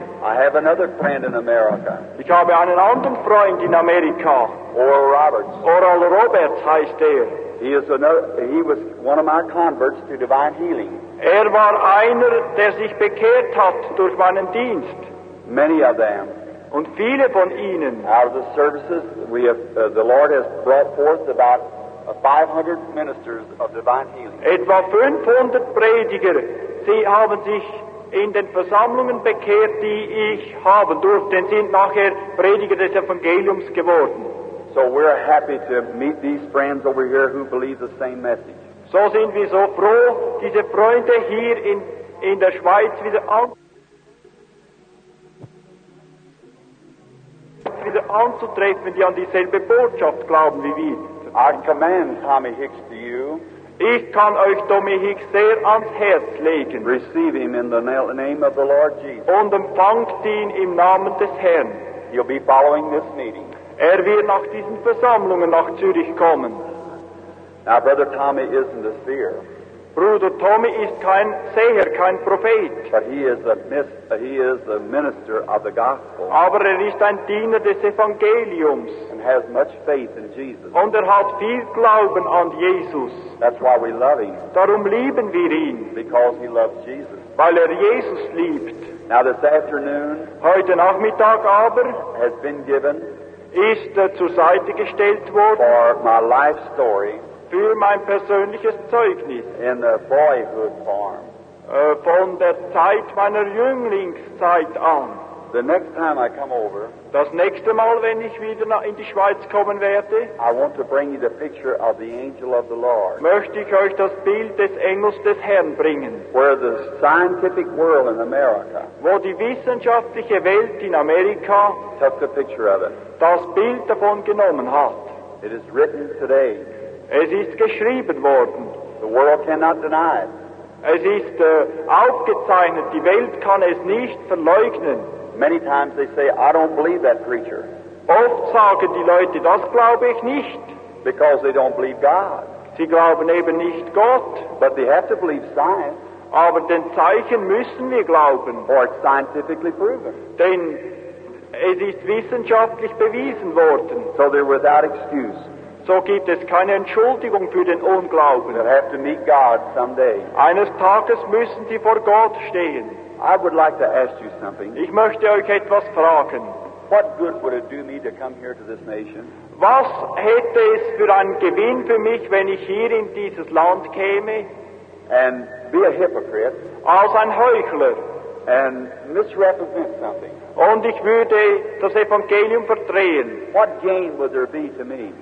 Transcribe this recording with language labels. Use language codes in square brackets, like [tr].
[en] I have another friend in America. [de] Ich habe einen anderen Freund in Amerika. [en] Oral Roberts. [de] Oral Roberts heißt er. [en] He was one of my converts to divine healing. [de] Er war einer, der sich bekehrt hat durch meinen Dienst. [en] Many of them. [de] Und viele von ihnen. [en] Out of the services, we have the Lord has brought forth about 500 ministers of divine healing. [de] Etwa 500 Prediger, sie haben sich in den Versammlungen bekehrt, die ich haben durfte, sind nachher Prediger des Evangeliums geworden. [en] So we're happy to meet these friends over here who believe the same message. [de] So sind wir so froh, diese Freunde hier in der Schweiz wieder anzutreffen, die an dieselbe Botschaft glauben wie wir. [en] I command Tommy Hicks to you. [de] Ich kann euch Tommy Hicks sehr ans Herz legen. [en] Receive him in the name of the Lord Jesus. [de] Und empfangt ihn im Namen des Herrn. [en] He'll be following this meeting. [de] Er wird nach diesen Versammlungen nach Zürich kommen. [en] Now, Brother Tommy isn't a seer. [de] Bruder Tommy ist kein Seher, kein Prophet. [en] But he is a minister of the gospel. [de] Aber er ist ein Diener des Evangeliums. [en] And has much faith in Jesus. [de] Und er hat viel Glauben an Jesus. [en] That's why we love him. [de] Darum lieben wir ihn. [en] Because he loves Jesus. [de] Weil er Jesus liebt. [en] Now this afternoon. [de] Heute Nachmittag aber. [en] Has been given. [de] Ist zur Seite gestellt worden. [en] For my life story. [de] Für mein persönliches Zeugnis. [en] In the boyhood form. [de] Von der Zeit meiner Jünglingszeit an. [en] The next time I come over. [de] Das nächste Mal, wenn ich wieder in die Schweiz kommen werde. [en] I want to bring you the picture of the angel of the Lord. [de] Möchte ich euch das Bild des Engels des Herrn bringen. [en] Where the scientific world in America. [de] Wo die wissenschaftliche Welt in Amerika. [en] Took the picture of it. [de] Das Bild davon genommen hat. [en] It is written today. [de] Es ist geschrieben worden. [en] The world cannot deny it. [de] Es ist aufgezeichnet. Die Welt kann es nicht verleugnen. [en] Many times they say, I don't believe that preacher. [de] Oft sagen die Leute, das glaube ich nicht. [en] Because they don't believe God. [de] Sie glauben eben nicht Gott. [en] But they have to believe science. [de] Aber den Zeichen müssen wir glauben. [en] Or it's scientifically proven. [de] Denn es ist wissenschaftlich bewiesen worden. [en] So they're without excuse. [de] so gibt es keine Entschuldigung für den Unglauben. [en] They'll have to meet God someday. [de] Eines Tages müssen sie vor Gott stehen. [en] I would like to ask you something. [de] Ich möchte euch etwas fragen. [en] What good would it do me to come here to this nation? [de] Was hätte es für einen Gewinn für mich, wenn ich hier in dieses Land käme? [en] And be a hypocrite. [de] Als ein Heuchler. [en] And misrepresent something. [de] Und ich würde das Evangelium verdrehen. [en] What gain would there be to me?